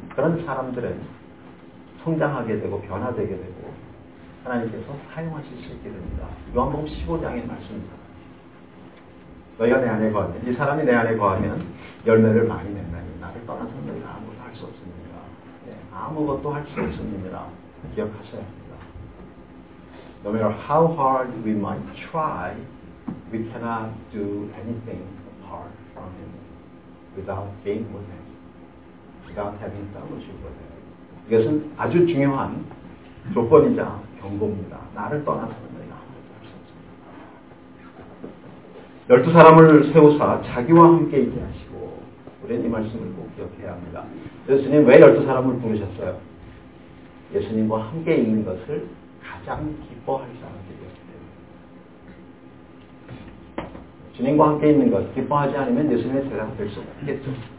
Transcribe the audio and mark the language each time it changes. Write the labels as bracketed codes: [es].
[ko] 그런 사람들은 성장하게 되고 변화되게 되고 하나님께서 사용하실 수 있게 됩니다. 요한복음 15장의 말씀입니다. 너희가 내 안에 거하면, 이 사람이 내 안에 거하면 열매를 많이 맺나니 나를 떠나서는 너희가 아무것도 할 수 없습니다. 아무것도 할 수 없습니다. 기억하셔야 합니다. [en] No matter how hard we might try, we cannot do anything apart from him without being with him, without having fellowship with him. [ko] 이것은 아주 중요한 조건이자 경고입니다. 나를 떠나서는 너희가 아무것도 할 수 없습니다. 12사람을 세우사 자기와 함께 있게 하시고 우리는 이 말씀을 꼭 기억해야 합니다. 예수님 왜 12사람을 부르셨어요? 예수님과 함께 있는 것을 가장 기뻐할 사람들이 되었기 때문에 주님과 함께 있는 것 기뻐하지 않으면 예수님의 제자가 될 수 없겠죠.